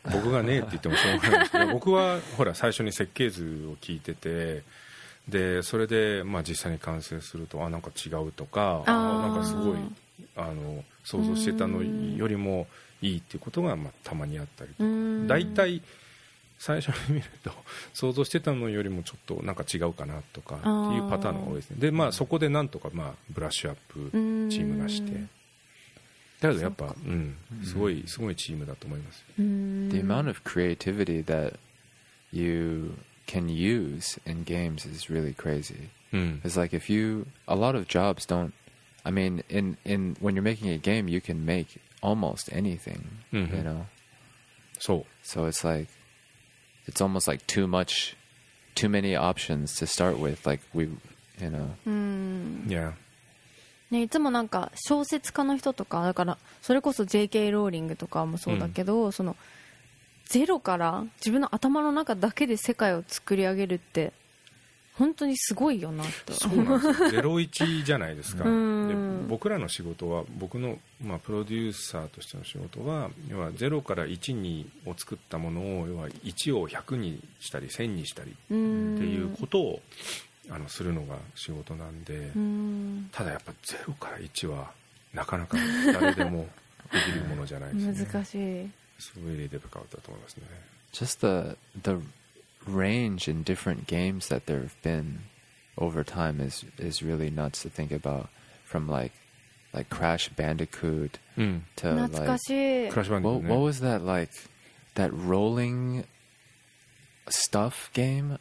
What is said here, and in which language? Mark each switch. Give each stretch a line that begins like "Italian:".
Japanese: 僕がねえって言ってもしょうがないんですけど、僕はほら最初に設計図を聞いてて、でそれでまあ実際に完成するとあなんか違うとか、あなんかすごいあの想像してたのよりもいいっていうことが、まあ、たまにあったりとか、だいたい最初に見ると想像してたのよりもちょっとなんか違うかなとかっていうパターンが多いですね。で、まあ、そこでなんとか、まあ、ブラッシュアップチームがして、だけどやっぱ、うん、すごいチームだと思います。
English: The amount of creativity that you can use in games is really crazy. It's like if you a lot of jobs don'tI mean, in when you're making a game, you can make almost anything, you know. So it's like, it's almost like too many options to start with. Like we, you know. Yeah.
Japanese: ね、いつもなんか小説家の人とか、だからそれこそ J.K. ローリングとかもそうだけど、そのゼロから自分の頭の中だけで世界を作り上げるって。本当にすごいよなと。そうなんですよ。01じゃないですか。で僕らの仕事は、僕の、まあ、プロデューサーとしての仕事は、要は0から1にを作ったものを、要は1を100にしたり1000にしたりっていうことをあのするのが仕事なんで、ただやっぱ0から1はなかなか誰でもできるものじゃないですね。難しい。すごいレベルが変わったと思いますね。
English: Just the range in different games that there have been over time is really nuts to think about, from like Crash Bandicoot to like Crash Bandicoot. What was that, like that rolling stuff game?